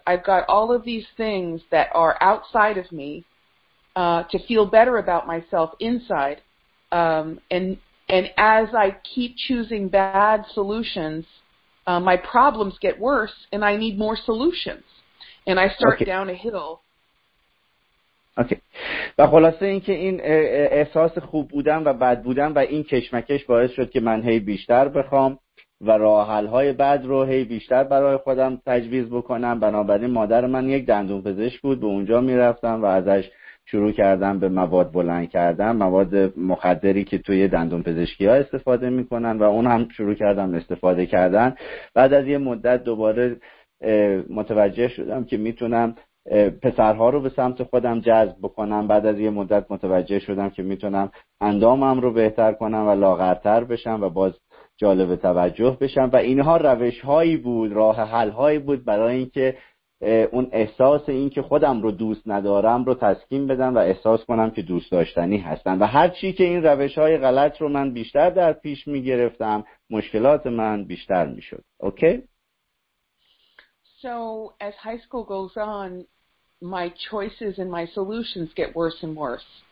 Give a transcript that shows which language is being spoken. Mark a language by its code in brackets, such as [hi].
[en] I've got all of these things that are outside of me to feel better about myself inside. And as I keep choosing bad solutions, my problems get worse and I need more solutions. And I start down a hill. Okay. [fa] و خلاصه این که این احساس خوب بودن و بد بودن و این کشمکش باعث شد که من هی بیشتر بخوام و راه حل های بد رو هی بیشتر برای خودم تجویز بکنم. بنابراین مادر من یک دندون پزشک بود، به اونجا می رفتم و ازش شروع کردن به مواد بلند کردن، مواد مخدری که توی دندون پزشکی ها استفاده میکنن، و اون هم شروع کردم استفاده کردن. بعد از یه مدت دوباره متوجه شدم که میتونم پسرها رو به سمت خودم جذب بکنم. بعد از یه مدت متوجه شدم که میتونم اندامم رو بهتر کنم و لاغرتر بشم و باز جالب توجه بشم. و اینها روش هایی بود، راه حل هایی بود برای اینکه اون احساس این که خودم رو دوست ندارم رو تسکین بدم و احساس کنم که دوست داشتنی هستم. و هرچی که این روش های غلط رو من بیشتر در پیش میگرفتم، مشکلات من بیشتر میشد. [en] Okay? So as high school goes on, my choices and my solutions get worse and worse.